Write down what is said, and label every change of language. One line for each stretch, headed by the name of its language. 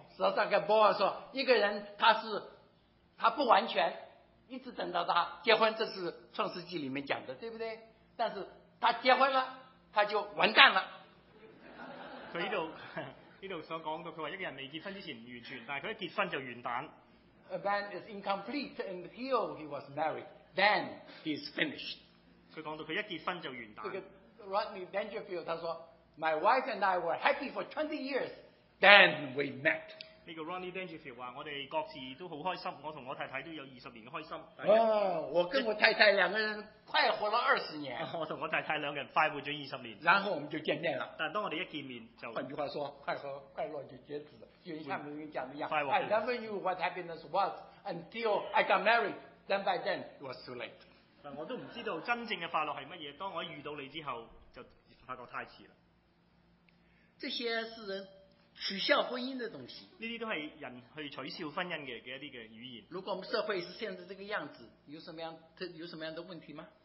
Chinese: 实际上跟波尔说一个人他不完全，一直等到他结婚，这是创世纪里面讲的对不对，但是他结婚了他就完蛋了，他这里所讲到他说一个人没结婚之前完全，但是他结婚就完蛋。
English: A man is incomplete until he was married, then he is finished.
Chinese: 他说到他一结婚就完蛋，
English: 这个 Rodney Dangerfield
Chinese: 他说
English: My wife and I were happy for 20 years then we met.
Chinese: 这个 Rodney Dangerfield 说我们各自都很开心，我和我太太都有20年的开心，我跟我太太两个人快活了20年，我和我太太两个人快活了20年，然后我们就见面了，但当我们一见面就换句话说快活快乐就截止了，就像人们讲的一样
English: I never knew what happiness was until I got married, then by then it was too late.
Chinese: 但我都不知道真正的快乐是什么，当我遇到你之后就发觉太迟了。这些是人取笑婚姻的东西，这些都是人去取笑婚姻 的一些语言。如果我们社会是现在这个样子，有什么样的问题吗？